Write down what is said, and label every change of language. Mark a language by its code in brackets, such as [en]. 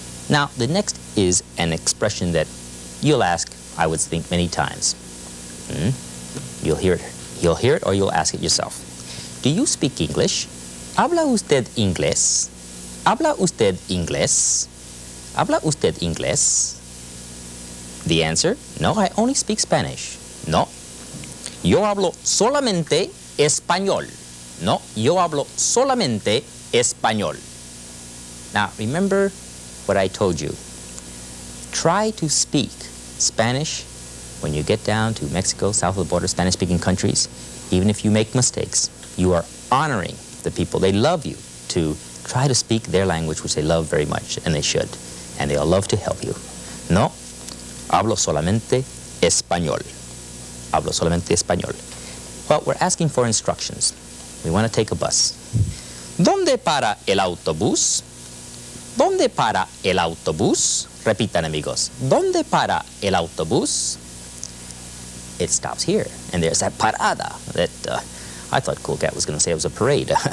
[en] Now, the next is an expression that you'll ask, I would think, many times. You'll hear it. You'll hear it or you'll ask it yourself. Do you speak English? [es] ¿Habla usted inglés? ¿Habla usted inglés? ¿Habla usted inglés? [en] The answer, no, I only speak Spanish. [es] No. Yo hablo solamente español. No, yo hablo solamente español. [en] Now, remember what I told you. Try to speak Spanish when you get down to Mexico, south of the border, Spanish-speaking countries. Even if you make mistakes, you are honoring the people. They love you to try to speak their language, which they love very much, and they should. And they'll love to help you. [es] No, hablo solamente español. Hablo solamente español. [en] Well, we're asking for instructions. We want to take a bus. [es] ¿Dónde para el autobús? ¿Dónde para el autobús? Repitan, amigos. ¿Dónde para el autobús? [en] It stops here. And there's that parada that I thought Cool Cat was going to say it was a parade.